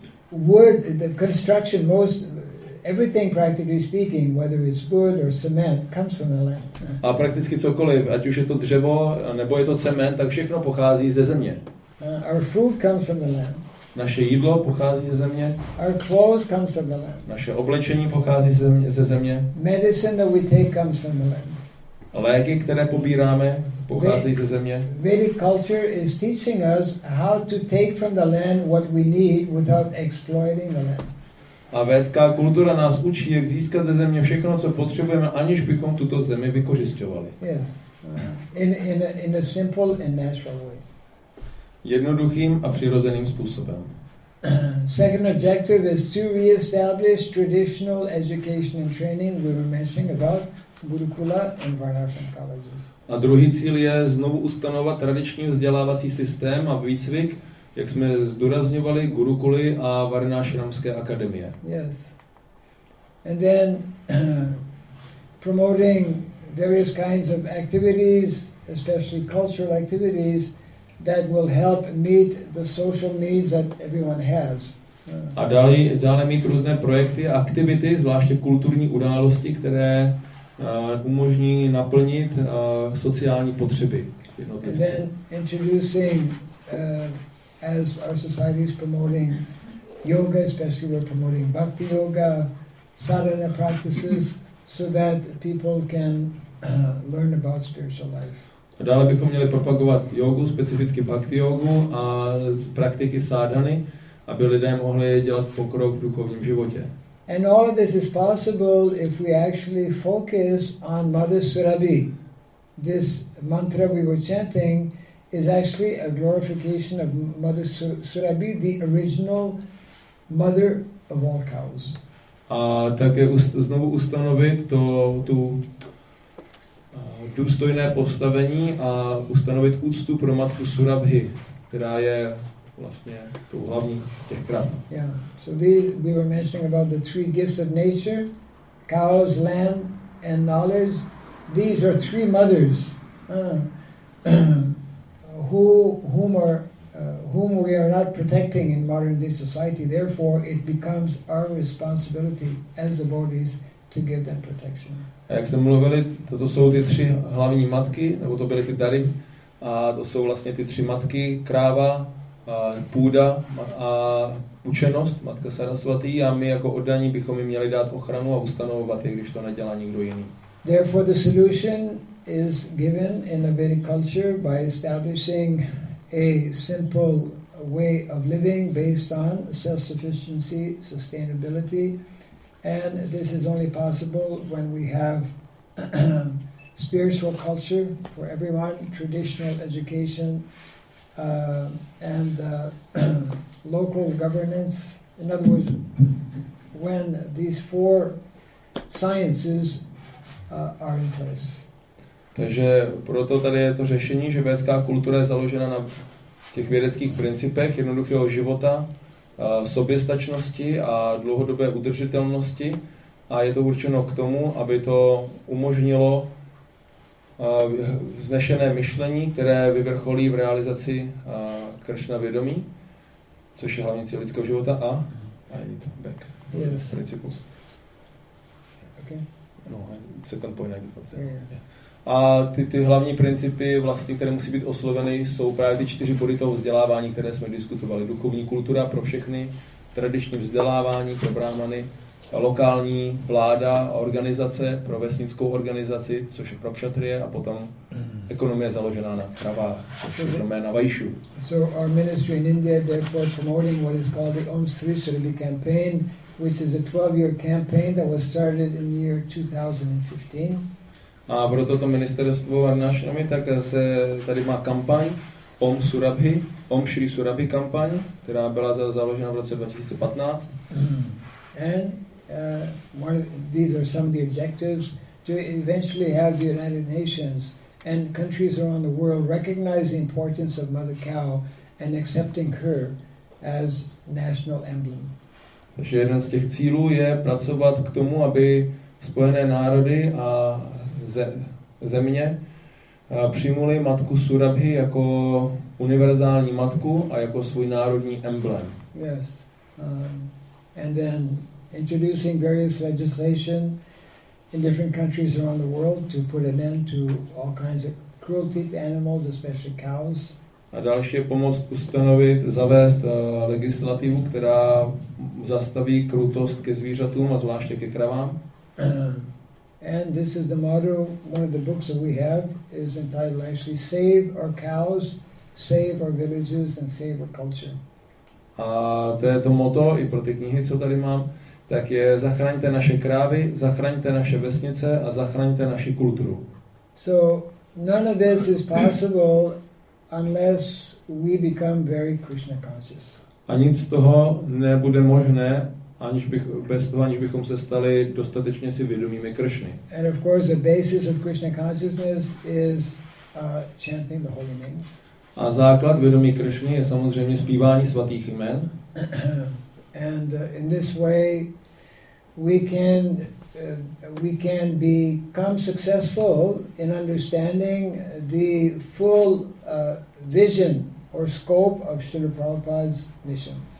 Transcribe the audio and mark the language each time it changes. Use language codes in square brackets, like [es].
[en] Wood, the construction, most everything practically speaking, whether it's wood or cement, comes from the land. [cs] A prakticky cokoliv, ať už je to dřevo, nebo je to cement, tak všechno pochází ze země. [en] Our food comes from the land. [cs] Naše jídlo pochází ze země. [en] Our clothes comes from the land. [cs] Naše oblečení pochází ze země. [en] Medicine that we take comes from the land. [cs] Léky, které pobíráme, pochází ze země. [en] Vedic culture is teaching us how to take from the land what we need without exploiting the land. [cs] A vedská kultura nás učí, jak získat ze země všechno, co potřebujeme, aniž bychom tuto zemi vykořisťovali. [en] Yes. In a simple and natural way. [cs] Jednoduchým a přirozeným způsobem. [en] Second objective is to re-establish traditional education and training. We were mentioning about Gurukula and Varnashram colleges. [cs] A druhý cíl je znovu ustanovat tradiční vzdělávací systém a výcvik, jak jsme zdůrazňovali, Gurukuly a Varnashramské akademie. [en] Yes. And then promoting various kinds of activities, especially cultural activities, that will help meet the social needs that everyone has. [cs] A dále mít různé projekty a aktivity, zvláště kulturní události, které umožní naplnit sociální potřeby. [en] And then introducing, as our society is promoting yoga, especially we're promoting bhakti yoga, sadhana practices, so that people can learn about spiritual life. [cs] A dále bychom měli propagovat jógu, specificky bhakti jógu a praktiky sádhany, aby lidé mohli dělat pokrok v duchovním životě. [en] And all of this is possible if we actually focus on Mother Surabhi. This mantra we were chanting is actually a glorification of Mother Surabhi, the original mother of all cows. [cs] A také znovu ustanovit to tu důstojné postavení a ustanovit úctu pro matku Surabhi, která je vlastně tou hlavní těch krav. [en] Yeah. So we were mentioning about the three gifts of nature, cows, lamb and knowledge. These are three mothers whom we are not protecting in modern day society. Therefore, it becomes our responsibility as the bodies to give them protection. [cs] A jak jsme mluvili, toto jsou ty tři hlavní matky, nebo to byly ty dary, a to jsou vlastně ty tři matky, kráva, půda a učenost, matka Sarasvatý, a my jako oddaní bychom jim měli dát ochranu a ustanovovat je, když to nedělá nikdo jiný. [en] Therefore the solution is given in the Vedic culture by establishing a simple way of living based on self-sufficiency, sustainability, and this is only possible when we have spiritual culture for everyone, traditional education, and local governance. In other words, when these four sciences are in place. [cs] Takže proto tady je to řešení, že vědecká kultura je založena na těch vědeckých principech jednoduchého života, soběstačnosti a dlouhodobé udržitelnosti, a je to určeno k tomu, aby to umožnilo vznešené myšlení, které vyvrcholí v realizaci Kršna vědomí, což je hlavní cíl lidského života, a je to back, [en] yes. Principus. Okay. No, second point, I guess. [cs] A ty hlavní principy, vlastně, které musí být osloveny, jsou právě ty čtyři body toho vzdělávání, které jsme diskutovali. Duchovní kultura pro všechny, tradiční vzdělávání pro brahmany, lokální vláda a organizace pro vesnickou organizaci, což je pro kšatrie, a potom ekonomie založená na kravách, což je doména vajšu. [en] So our ministry in India therefore promoting what is called the Om Sri Surabhi campaign, which is a 12-year campaign that was started in the year 2015. [cs] A proto to ministerstvo Varnashrami, tak se tady má kampaň Om Shri Surabhi kampaň, která byla založena v roce 2015. [en] And these are some of the objectives to eventually have the United Nations and countries around the world recognize the importance of Mother Cow and accepting her as national emblem. [cs] Takže jeden z těch cílů je pracovat k tomu, aby Spojené národy a země přijmuli matku Surabhi jako univerzální matku a jako svůj národní emblem. [en] Yes. And then introducing various legislation in different countries around the world to put an end to all kinds of cruelty to animals, especially cows. [cs] A další je pomoc ustanovit, zavést legislativu, která zastaví krutost ke zvířatům a zvláště ke kravám. [en] And this is the motto, one of the books that we have is entitled actually Save Our Cows, Save Our Villages and Save Our Culture. [cs] A to je to motto i pro ty knihy, co tady mám, tak je zachraňte naše krávy, zachraňte naše vesnice a zachraňte naši kulturu. [en] So none of this is possible unless we become very Krishna conscious. [cs] A nic z toho nebude možné, aniž bychom se stali dostatečně si vědomými Kršny. [en] And of course the basis of Krishna consciousness is chanting the holy names. [cs] A základ vědomí Kršny je samozřejmě zpívání svatých jmen. [en] And in this way we can become successful in understanding the full vision or scope of Srila Prabhupada's mission.